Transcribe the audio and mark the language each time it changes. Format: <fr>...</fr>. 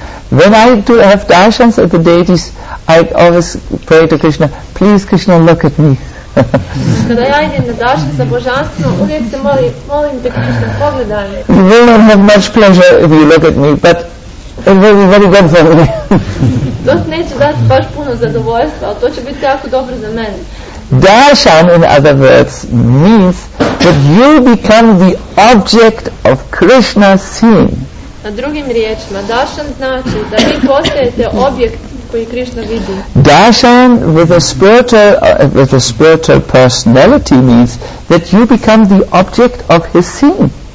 <en>When I do have darshans of the deities, I always pray to Krishna, please Krishna, look at me.</en> <bs>Kada ja idem na darshan sa božanstvom, uvijek se molim te Krishna, pogledaj me.</bs> <en>You will not have much pleasure if you look at me, but it will be very good for me.</en> <bs>To neće dati baš puno zadovoljstva, ali to će biti jako dobro za mene.</bs> <en>Darshan, in other words, means that you become the object of Krishna's seeing.</en> <bs>Na drugim riječima, darshan znači da vi postajete objekt</bs> <en>Darshan with a spiritual personality means that you become the object of his seeing.</en>